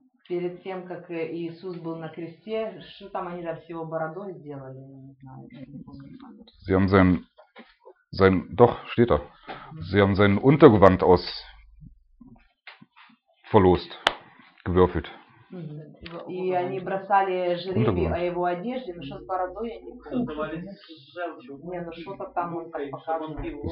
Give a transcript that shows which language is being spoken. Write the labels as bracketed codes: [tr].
[ru] перед тем, как Иисус был на кресте, что там они там с его бородой сделали, я не знаю. [de] Sie haben sein doch, steht da. Sie haben sein Untergewand aus verlost, gewürfelt. [ru] И они бросали жребий о его одежде, но что с бородой, я не понимаю. Не, ну что-то там он так показывает.